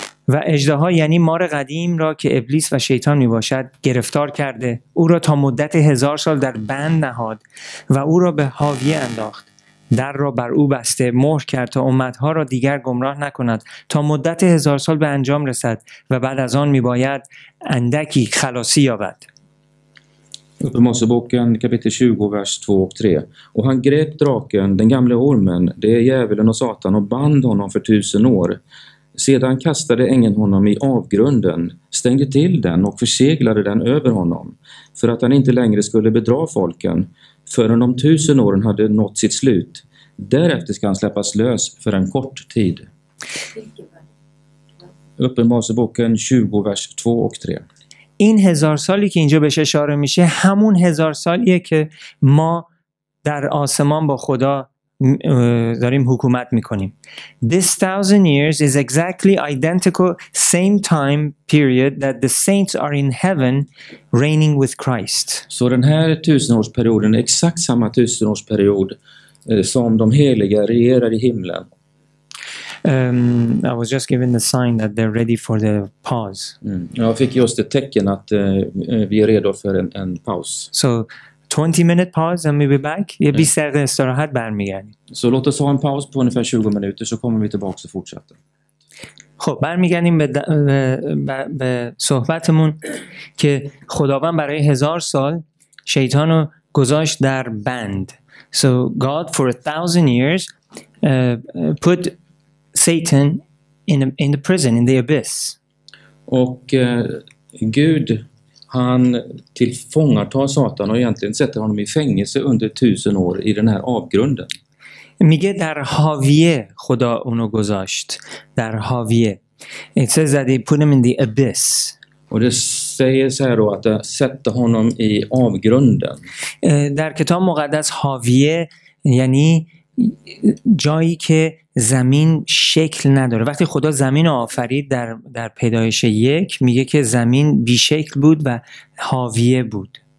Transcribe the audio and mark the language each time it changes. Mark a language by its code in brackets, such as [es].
[fa] و اژدها یعنی مار قدیم را که ابلیس و شیطان میباشد گرفتار کرده، او را تا مدت هزار سال در بند نهاد و او را به حاویه انداخت، در را بر او بسته، مهر کرد تا امتها را دیگر گمراه نکند تا مدت هزار سال به انجام رسد و بعد از آن میباید اندکی خلاصی یابد. [sv] Uppenbarelseboken kapitel 20 vers 2 och 3. Och han grep draken, den gamla ormen, det är djävulen och Satan, och band honom för tusen år. Sedan kastade ängeln honom i avgrunden, stängde till den och förseglade den över honom, för att han inte längre skulle bedra folken, förrän de tusen åren hade nått sitt slut. Därefter ska han släppas lös för en kort tid. Uppenbarelseboken 20 vers 2 och 3. [fa] این هزار سالی که اینجا بهش اشاره میشه همون هزار سالیه که ما در آسمان با خدا داریم حکومت میکنیم. [en] This thousand years is exactly identical same time period that the saints are in heaven reigning with Christ. [sv] Så den här tusenårsperioden är exakt samma tusenårsperiod som de heliga regerar i himlen. [en] I was just given the sign that they're ready for the pause. Mm. [sv] Jag fick just ett tecken att vi är redo för en paus. [en] So 20 minute pause and we'll be back. [sv] Jag blir säkert istället berminga. Så låt oss ha en paus på ungefär 20 minuter så kommer vi tillbaka och fortsätter. [fa] خب برمیگردیم به صحبتمون که خداوند برای هزار سال شیطانو گذاشت در بند. [en] So God for a thousand years put Satan in the prison, in the abyss. [sv] Och Gud, han tillfångatar Satan och egentligen sätter honom i fängelse under tusen år i den här avgrunden. [fa] میگه در حاویه خدا اونو گذاشت. در حاویه. [en] It says that he put him in the abyss. [sv] Och det säger så här då att sätta honom i avgrunden. [fa] در کتاب مقدس حاویه یعنی جایی که زمین شکل نداره. وقتی خدا زمین رو آفرید در پیدایش یک میگه که زمین بی شکل بود و حاویه بود.